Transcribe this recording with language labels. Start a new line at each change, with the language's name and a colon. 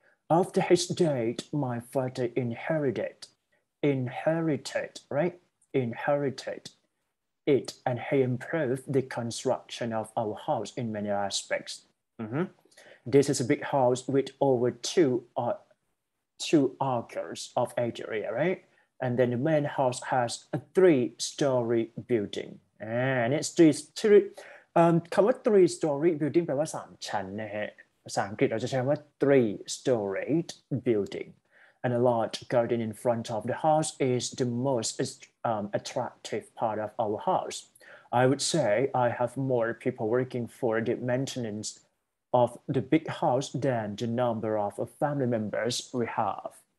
English: After his death, my father inherited it, and he improved the construction of our house in many aspects. Mm-hmm. This is a big house with over two acres of area, right? And then the main house has a three-story building. And it's three-story building
Thai: แปลว่าสามชั้นนะฮะภาษาอังกฤษเราจะใช้ว่า
English: three-storied building. And a large garden in front of the house is the most attractive part of our house. I would say I have more people working for the maintenanceof the big house than the number of family members we have.